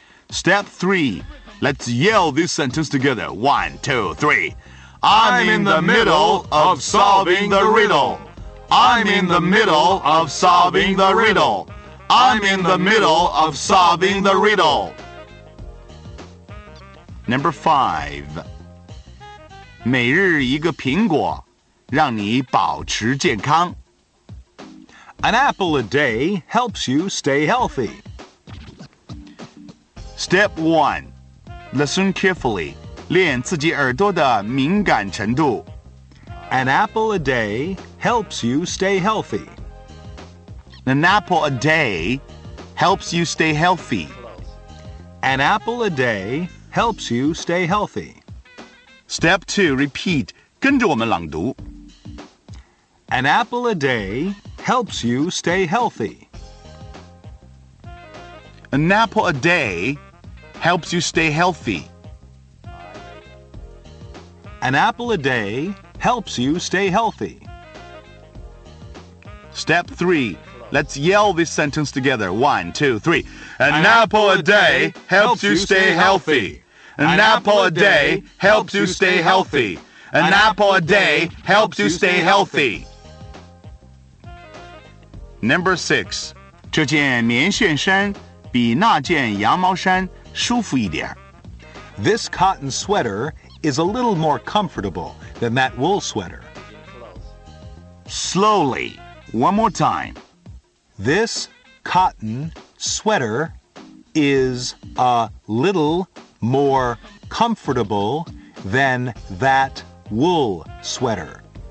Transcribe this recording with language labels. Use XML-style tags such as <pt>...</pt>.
<en>Step 3. Let's yell this sentence together. 1, 2, 3. I'm in the middle of solving the riddle. I'm in the middle of solving the riddle. I'm in the middle of solving the riddle. Number 5.</en> <zh>每日一个苹果，让你保持健康。</zh> <en>An apple a day helps you stay healthy. Step 1. Listen carefully.</en> <zh>练自己耳朵的敏感程度。</zh> <en>An apple a day helps you stay healthy. An apple a day helps you stay healthy. An apple a day helps you stay healthy. Step 2. Repeat.</en> <zh>跟着我们朗读。</zh> <en>An apple a day... helps you stay healthy. An apple a day helps you stay healthy. An apple a day helps you stay healthy. Step 3. Let's yell this sentence together. 1, 2, 3. An apple a day helps you stay healthy. An apple a day helps you stay healthy. An apple a day helps you stay healthy. Number 6.</en> <zh>这件棉线衫比那件羊毛衫舒服一点。</zh> <en>This cotton sweater is a little more comfortable than that wool sweater. Slowly. One more time. This cotton sweater is a little more comfortable than that wool sweater.</en>